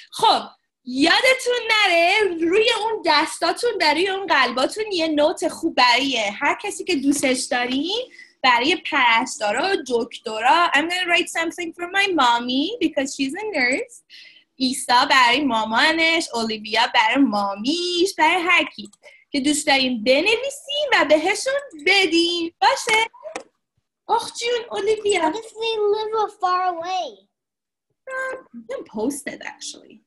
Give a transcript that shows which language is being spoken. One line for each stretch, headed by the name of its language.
Persian: خب یادتون نره روی اون دستاتون و روی اون قلباتون یه نوت خوب برای هر کسی که دوستش دارین، برای پرستارا، دکترا.
English: I'm gonna write something for my mommy because she's a nurse.
Persian: ایسا برای مامانش، اولیویا برای مامیش، برای هر کی که دوست دارین بنویسین و بهشون بدین. باشه؟ آخ جون اولیویا.
English: What if we live far away? You can post it actually.